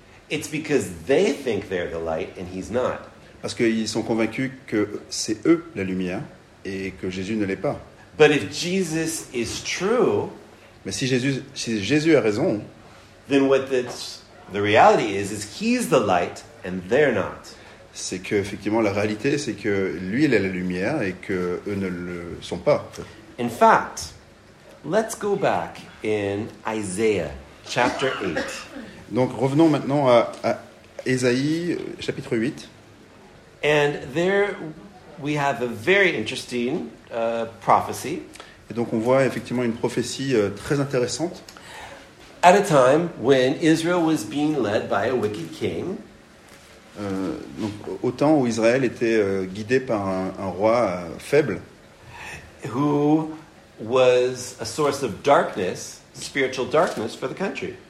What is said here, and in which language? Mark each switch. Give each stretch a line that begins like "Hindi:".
English: It's because they think they're the light and he's not.
French: Parce qu'ils sont convaincus que c'est eux la lumière et que Jésus ne l'est pas.
English: But if Jesus is true,
French: mais si Jésus a raison,
English: then what the reality is he's the light and they're not.
French: C'est que effectivement la réalité c'est que lui il est la lumière et que eux ne le sont pas.
English: In fact, let's go back in Isaiah chapter 8.
French: Donc revenons maintenant à Ésaïe chapitre 8.
English: And there we have a very interesting prophecy.
French: Et donc on voit effectivement une prophétie très intéressante.
English: At a time when Israel was being led by a wicked king.
French: Donc au temps où Israël était guidé par un roi faible.
English: Who was a source of darkness, spiritual darkness for the country.